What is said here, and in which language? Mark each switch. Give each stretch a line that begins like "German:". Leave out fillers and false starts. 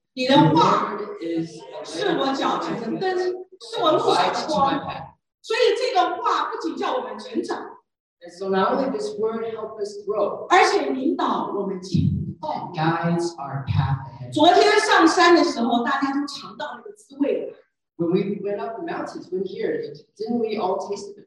Chinese: 你的话是我脚前的灯，是我路上的光。所以这个话不仅叫我们成长，
English: and so not only this word help us grow,
Chinese: 而且引导我们前进，
English: guides our path ahead.
Chinese: 昨天上山的时候，大家都尝到那个滋味了。
English: When we went up the mountains, went here, didn't we all taste it?